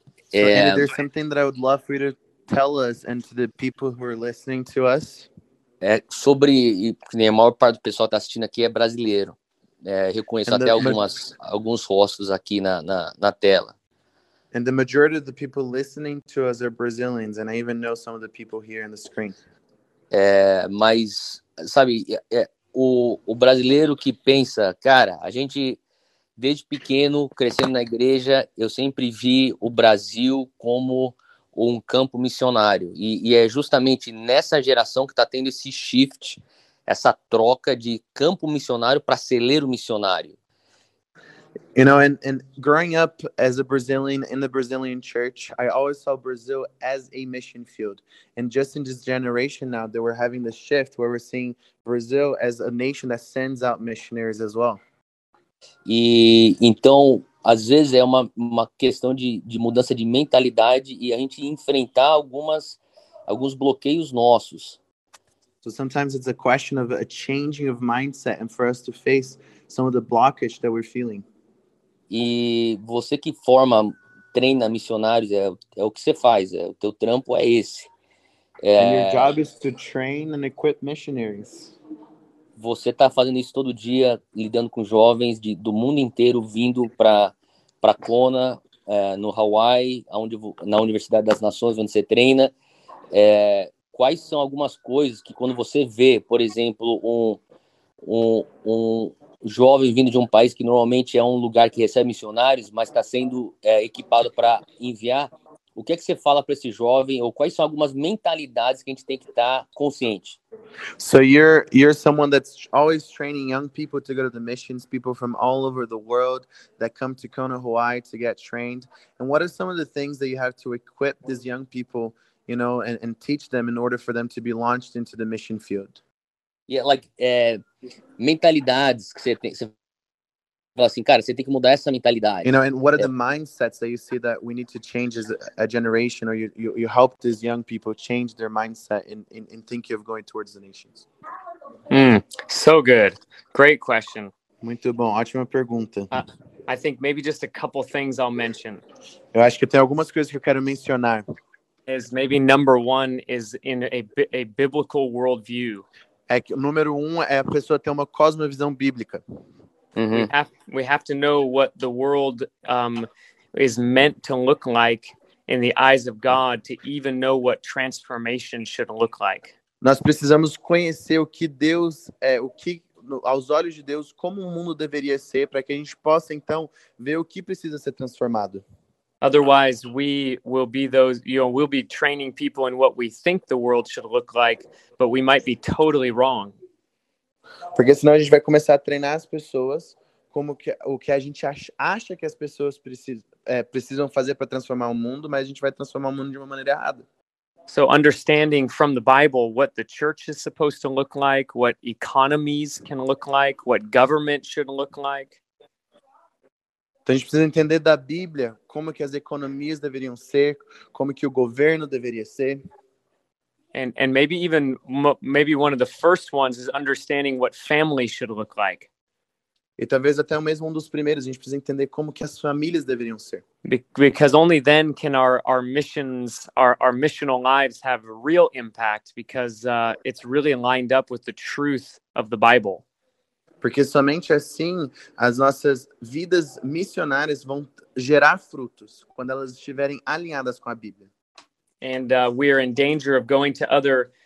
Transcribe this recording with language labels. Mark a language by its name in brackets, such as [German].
[English] So, Andy, there's something that I would love for you to tell us and to the people who are listening to us. [Portuguese] É sobre, e a maior parte do pessoal que está assistindo aqui é brasileiro. Reconheço até alguns rostos aqui na tela. [English] And the majority of the people listening to us are Brazilians, and I even know some of the people here on the screen. [Portuguese] Mas, sabe, o brasileiro que pensa, cara, a gente, desde pequeno, crescendo na igreja, eu sempre vi o Brasil como um campo missionário. E é justamente nessa geração que está tendo esse shift, essa troca de campo missionário para celeiro missionário. [English] You know, and growing up as a Brazilian in the Brazilian church, I always saw Brazil as a mission field. And just in this generation now, that we're having this shift where we're seeing Brazil as a nation that sends out missionaries as well. [Portuguese] E então, às vezes é uma questão de mudança de mentalidade e a gente enfrentar alguns bloqueios nossos. [English] So sometimes it's a question of a changing of mindset and for us to face some of the blockage that we're feeling. [Portuguese] E você que forma, treina missionários, é o que você faz, o teu trampo é esse. [English] And your job is to train and equip missionaries. [Portuguese] Você tá fazendo isso todo dia, lidando com jovens do mundo inteiro, vindo pra Kona, no Hawaii, na Universidade das Nações, onde você treina. Quais são algumas coisas que quando você vê, por exemplo, um jovem vindo de um país que normalmente é um lugar que recebe missionários, mas está sendo equipado para enviar, o que é que você fala para esse jovem ou quais são algumas mentalidades que a gente tem que estar consciente? [English] So you're someone that's always training young people to go to the missions, people from all over the world that come to Kona, Hawaii to get trained. And what are some of the things that you have to equip these young people, you know, and teach them in order for them to be launched into the mission field? Yeah, like, [Portuguese] mentalidades que você tem, você fala assim, cara, você tem que mudar essa mentalidade. [English] You know, and what are the mindsets that you see that we need to change as a generation, or you help these young people change their mindset in thinking of going towards the nations? So good. Great question. [Portuguese] Muito bom, ótima pergunta. [English] I think maybe just a couple things I'll mention. [Portuguese] Eu acho que tem algumas coisas que eu quero mencionar. [English] Is maybe number one is in a biblical worldview. [Portuguese] É que o número um é a pessoa ter uma cosmovisão bíblica. Mm-hmm. [English] We have to know what the world is meant to look like in the eyes of God to even know what transformation should look like. [Portuguese] Nós precisamos conhecer o que Deus aos olhos de Deus, como o mundo deveria ser, para que a gente possa então ver o que precisa ser transformado. [English] Otherwise, we will be those, you know, we'll be training people in what we think the world should look like, but we might be totally wrong. [Portuguese] Porque senão a gente vai começar a treinar as pessoas como o que a gente acha que as pessoas precisam fazer para transformar o mundo, mas a gente vai transformar o mundo de uma maneira errada. [English] So understanding from the Bible what the church is supposed to look like, what economies can look like, what government should look like. [Portuguese] Então a gente precisa entender da Bíblia como que as economias deveriam ser, como que o governo deveria ser. [English] And maybe even one of the first ones is understanding what family should look like. [Portuguese] E talvez até mesmo dos primeiros, a gente precisa entender como que as famílias deveriam ser. [English] Because only then can our missions, our missional lives have real impact, because it's really lined up with the truth of the Bible. [Portuguese] Porque somente assim as nossas vidas missionárias vão gerar frutos, quando elas estiverem alinhadas com a Bíblia. [English] And we are in danger of going to other